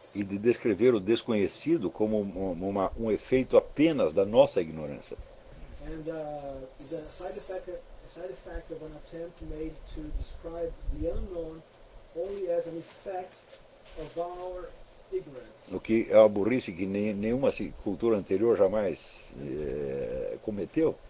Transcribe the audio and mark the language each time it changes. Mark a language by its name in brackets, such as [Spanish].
[Portuguese] E de descrever o desconhecido como um efeito apenas da nossa ignorância. [English] And is a side effect of an attempt made to describe the unknown only as an effect of our ignorance. [Portuguese] O que é uma burrice que nenhuma cultura anterior jamais cometeu.